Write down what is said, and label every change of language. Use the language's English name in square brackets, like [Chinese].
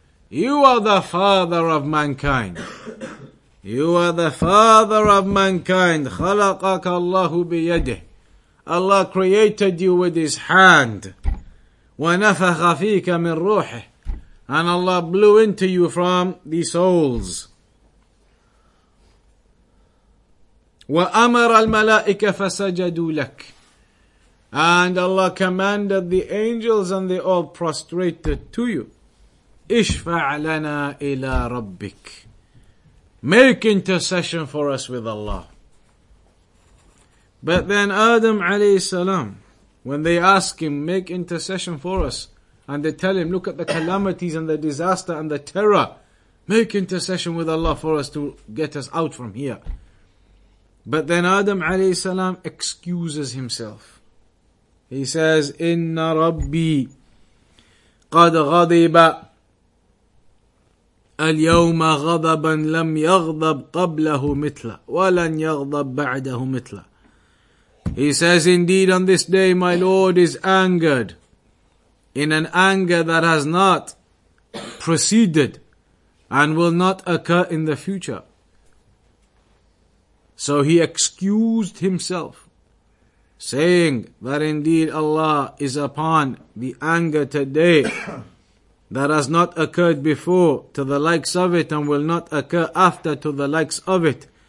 [English] You are the father of mankind. You are the father of mankind. [Arabic] خلقك الله بيده. [English] Allah created you with His hand. [Arabic] ونفخ فيك من روحه. [English] And Allah blew into you from the souls. [Arabic] وأمر الملائكة فسجدوا لك. [English] And Allah commanded the angels and they all prostrated to you. [Arabic] اشفع لنا إلى ربك. [English] Make intercession for us with Allah. But then Adam alayhi salam, when they ask him, make intercession for us, and they tell him, look at the calamities and the disaster and the terror, make intercession with Allah for us to get us out from here. But then Adam alayhi salam excuses himself. He says, [Arabic] Inna Rabbi qad ghadiba. اليوم غضبا لم يغضب قبله مثله ولن يغضب بعده مثله. [English] He says, indeed on this day my Lord is angered in an anger that has not preceded and will not occur in the future. So he excused himself, saying that indeed Allah is upon the anger today that has not occurred before to the likes of it and will not occur after to the likes of it.